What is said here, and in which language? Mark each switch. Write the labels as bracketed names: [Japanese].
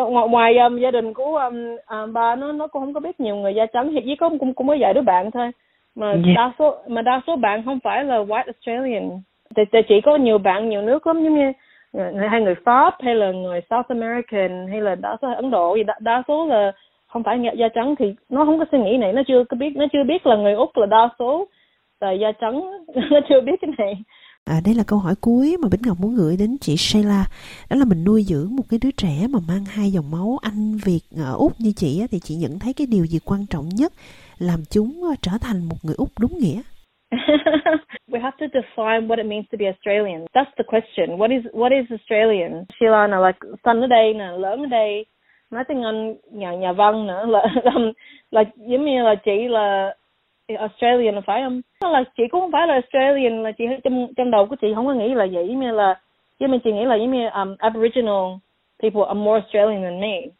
[Vietnamese] Ngoài gia đình của ba nó cũng không có biết nhiều người da trắng, thì chỉ có cũng cũng có vài đứa bạn thôi, mà đa số bạn không phải là white Australian, thì chỉ có nhiều bạn nhiều nước lắm, giống như người Pháp hay là người South American hay là đa số là Ấn Độ, thì đa số là không phải da trắng, thì nó không có suy nghĩ này, nó chưa biết là người Úc là đa số là da trắng, nó chưa biết cái này. À, đây là câu hỏi cuối mà Bích Ngọc muốn gửi đến chị Sheila. Đó là mình nuôi dưỡng một cái đứa trẻ mà mang hai dòng máu Anh Việt ở Úc như chị á, thì chị nhận thấy cái điều gì quan trọng nhất làm chúng trở thành một người Úc đúng nghĩa? [English] We have to define what it means to be Australian. That's the question. What is Australian? [Vietnamese] Sheila nè, like sinh ở đây nè, lớn ở đây, nói tiếng Anh, nhà nhà văn nữa, là giống như là chị là Australian phải không? Là chị cũng không phải là Australian, là chị trong trong đầu của chị không có nghĩ là vậy, mà là nhưng mà chị nghĩ là giống như [English] Aboriginal people are more Australian than me.